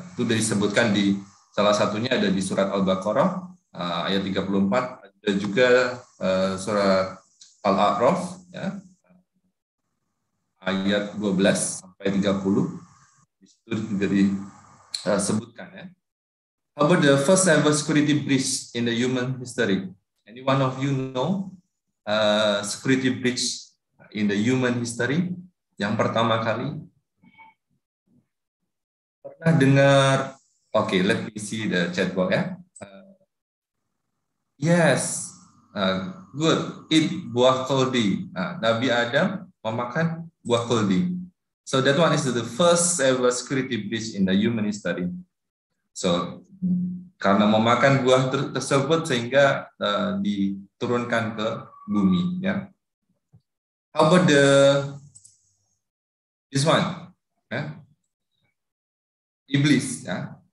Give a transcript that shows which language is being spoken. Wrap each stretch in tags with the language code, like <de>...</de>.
<id>Itu disebutkan di salah satunya ada di surat Al-Baqarah ayat 34, ada juga surat Al-A'raf ya, ayat 12 sampai 30. Di situ juga disebutkan ya.</id> <en>How about the first ever security breach in the human history? Any one of you know security breach in the human history</en> <id>yang pertama kali? Pernah dengar?</id> <en>Okay, let me see the chat box ya. Yes, good. Eat buah koldi.</en> <id>Nabi Adam memakan buah koldi.</id> <en>So that one is the first ever security breach in the human history.</en> <id>So karena memakan buah tersebut sehingga diturunkan ke bumi. Ya.</id> <en>How about the this one? Ya. Iblis. Ya.</en>